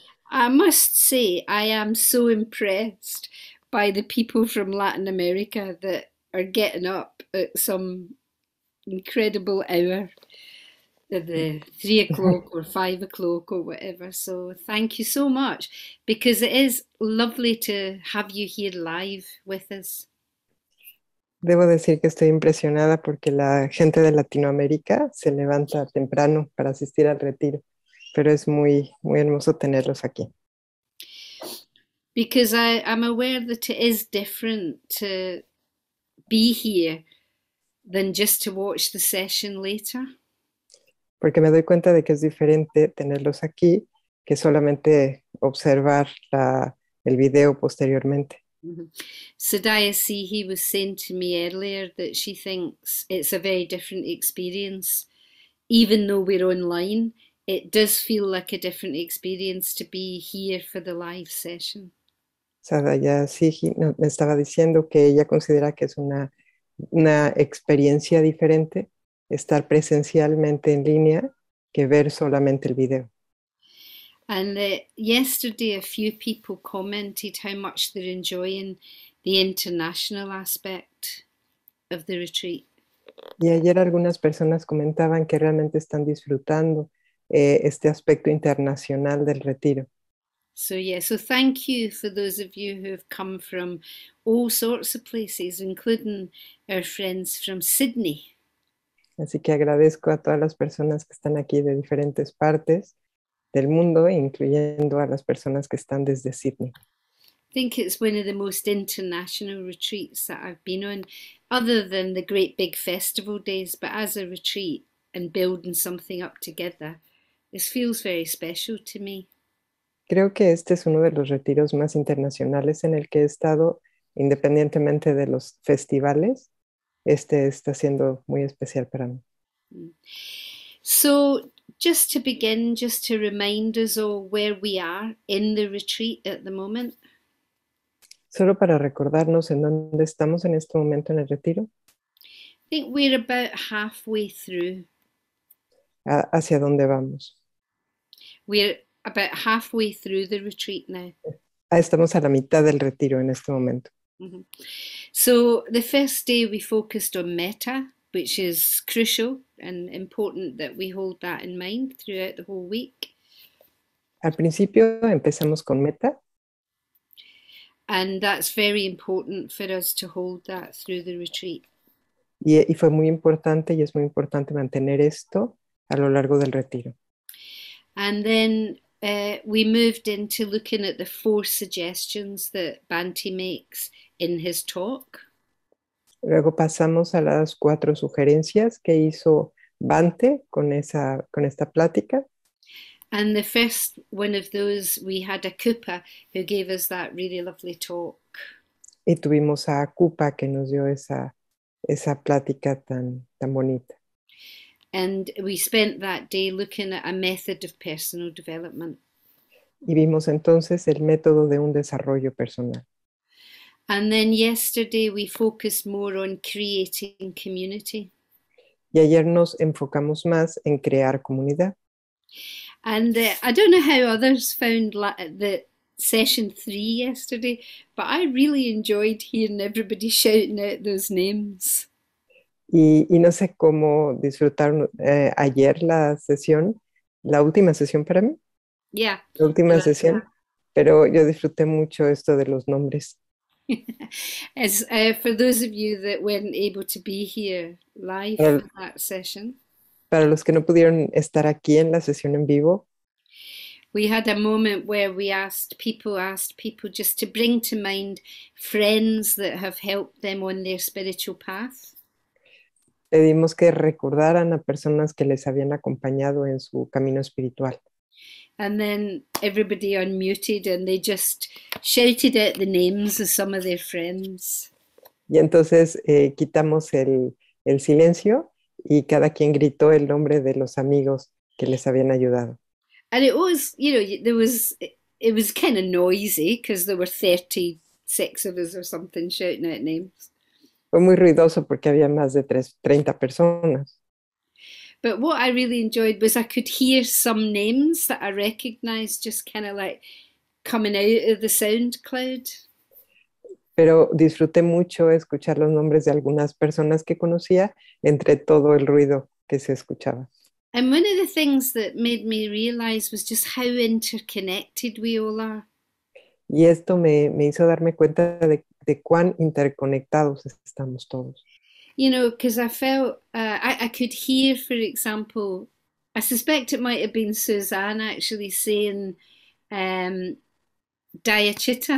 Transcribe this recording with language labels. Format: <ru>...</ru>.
<en>I must say, I am so impressed by the people from Latin America that are getting up at some incredible hour, at the 3 o'clock or 5 o'clock or whatever. So thank you so much, because it is lovely to have you here live with us.</en> <es>Debo decir que estoy impresionada porque la gente de Latinoamérica se levanta temprano para asistir al retiro, pero es muy, muy hermoso tenerlos aquí.</es> <en>Because I'm aware that it is different to be here than just to watch the session later.</en> <es>Porque me doy cuenta de que es diferente tenerlos aquí que solamente observar el video posteriormente.</es> <en>Sadayasi, he was saying to me earlier that she thinks it's a very different experience. Even though we're online, it does feel like a different experience to be here for the live session.</en> <es>Sadaya sí me estaba diciendo que ella considera que es una experiencia diferente estar presencialmente en línea que ver solamente el video.</es> <en>And yesterday, a few people commented how much they're enjoying the international aspect of the retreat.</en> <es>Y ayer algunas personas comentaban que realmente están disfrutando este aspecto internacional del retiro.</es> <en>So, yeah, so thank you for those of you who have come from all sorts of places, including our friends from Sydney.</en> <es>Así que agradezco a todas las personas que están aquí de diferentes partes del mundo, incluyendo a las personas que están desde Sídney.</es> <en>I think it's one of the most international retreats that I've been on, other than the great big festival days, but as a retreat and building something up together, this feels very special to me.</en> <es>Creo que este es uno de los retiros más internacionales en el que he estado, independientemente de los festivales. Este está siendo muy especial para mí.</es> <en>So, just to begin, just to remind us all where we are in the retreat at the moment.</en> <es>Solo para recordarnos en dónde estamos en este momento en el retiro.</es> <en>Think we're about halfway through.</en> <es>¿Hacia dónde vamos?</es> <en>We're about halfway through the retreat now.</en> <es>Ah, estamos a la mitad del retiro en este momento.</es> <en>So, the first day we focused on metta, which is crucial and important that we hold that in mind throughout the whole week.</en> <es>Al principio empezamos con meta.</es> <en>And that's very important for us to hold that through the retreat.</en> <es>Y fue muy importante y es muy importante mantener esto a lo largo del retiro.</es> <en>And then we moved into looking at the four suggestions that Bhante makes in his talk.</en> <es>Luego pasamos a las cuatro sugerencias que hizo Bante con esta plática.</es> <en>And the first one of those, we had a Kupa who gave us that really lovely talk.</en> <es>Y tuvimos a Cupa que nos dio esa plática tan bonita.</es> <en>And we spent that day looking at a method of personal development.</en> <es>Y vimos entonces el método de un desarrollo personal.</es> <en>And then yesterday we focused more on creating community.</en> <es>Y ayer nos enfocamos más en crear comunidad.</es> <en>And I don't know how others found the session three yesterday, but I really enjoyed hearing everybody shouting out those names.</en> <es>Y no sé cómo disfrutaron ayer la sesión, la última sesión para mí, Yeah, la última sesión, pero yo disfruté mucho esto de los nombres.</es> <en>As for those of you that weren't able to be here live for</en> <es>Para</es> <en>that session,</en> <es>los que no pudieron estar aquí en la sesión en vivo.</es> <en>we had a moment where we asked people just to bring to mind friends that have helped them on their spiritual path.</en> <es>Pedimos que recordaran a personas que les habían acompañado en su camino espiritual.</es> <en>And then everybody unmuted and they just shouted out the names of some of their friends.</en> <es>Y entonces quitamos el silencio y cada quien gritó el nombre de los amigos que les habían ayudado.</es> <en>And it was, there was, it was kind of noisy because there were 36 of us or something shouting out names.</en> <es>Fue muy ruidoso porque había más de 30 personas.</es> <en>But what I really enjoyed was I could hear some names that I recognized just kind of like coming out of the sound cloud.</en> <es>Pero disfruté mucho escuchar los nombres de algunas personas que conocía entre todo el ruido que se escuchaba.</es> <en>And one of the things that made me realize was just how interconnected we all are.</en> <es>Y esto me hizo darme cuenta de cuán interconectados estamos todos.</es> <en>Because I felt I could hear, for example, I suspect it might have been Suzanne actually saying diachitta.</en>